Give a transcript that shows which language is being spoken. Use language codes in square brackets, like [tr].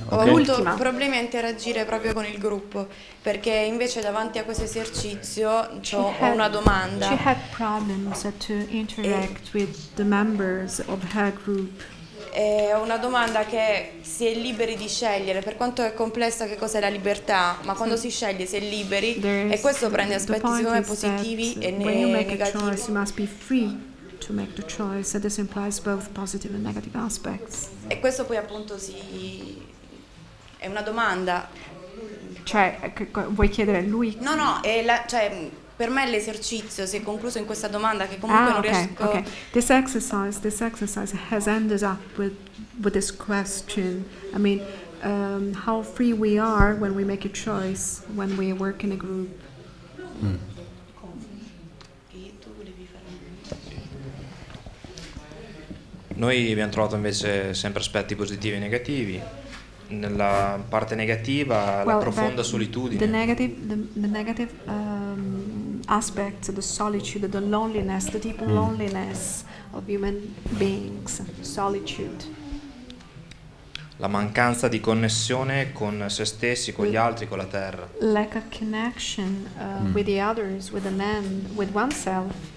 [it] Ho avuto problemi a interagire proprio con il gruppo, perché invece davanti a questo esercizio ho una domanda. [en] She had problems to interact with the members of her group. [it] È una domanda che si è liberi di scegliere, per quanto è complessa che cos'è la libertà, ma quando si sceglie si è liberi e questo prende aspetti secondo me positivi e negativi. [en] To make the choice, so this implies both positive and negative aspects. [it] E questo poi appunto si è una domanda. Cioè, vuoi chiedere a lui? No, no. È la, cioè, per me l'esercizio si è concluso in questa domanda che comunque non riesco. Okay. [en] This exercise has ended up with this question. I mean, how free we are when we make a choice when we work in a group. Mm. [it] Noi abbiamo trovato invece sempre aspetti positivi e negativi. nella parte negativa, la profonda solitudine. [en] The negative aspects of the solitude, the loneliness, the deep loneliness of human beings, solitude. [it] La mancanza di connessione con se stessi, con gli altri, con la terra. [en] Lack of connection with the others, with the man, with oneself.